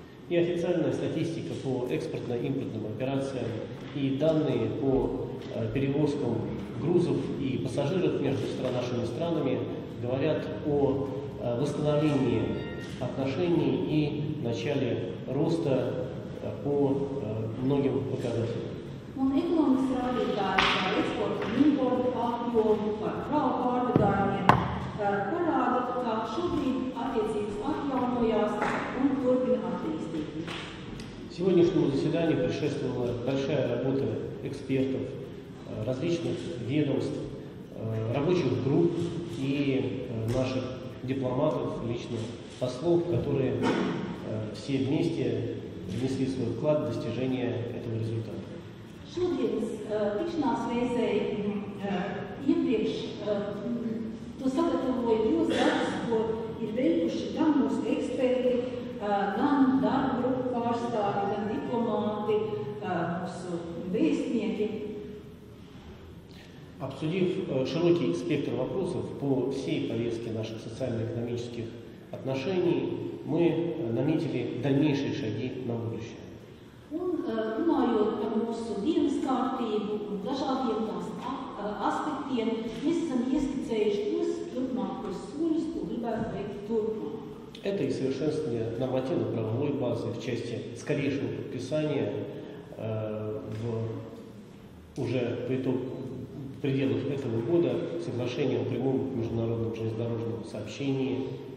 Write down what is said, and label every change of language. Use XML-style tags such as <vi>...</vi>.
<ru>и официальная статистика по экспортно-импортным операциям, и данные по перевозкам грузов и пассажиров между нашими странами говорят о восстановлении отношений и начале роста по многим показателям.</ru> <lv>Un ekonomikas rādītāji par eksportu un importu apjomu, par kravu pārvadājumiem, parāda, ka šobrīd attiecības atjaunojās un turpina attīstīties.</lv> <ru>Сегодняшнему заседанию предшествовала большая работа экспертов различных ведомств, рабочих групп и наших дипломатов, личных послов, которые все вместе внесли свой вклад в достижение этого результата.</ru> <lv>Šodienas tikšanās reizē iepriekš to sagatavoja divas darbs, ko ir veikuši gan mūsu eksperti, gan darba grupu pārstāvji, gan diplomāti, mūsu vēstnieki.</lv> <ru>Обсудив широкий спектр вопросов по всей повестке наших социально-экономических отношений, мы наметили дальнейшие шаги на будущее.</ru> <lv>Un runājot par mūsu dienas kārtību un dažādiem tās aspektiem, mēs esam ieskicējuši tos turpmākos soļus, ko gribētu veikt turpmāk.</lv> <ru>Это и совершенствование нормативно-правовой базы в части скорейшего подписания в уже по итогу в пределах этого года соглашение о прямом международном железнодорожном сообщении.</ru>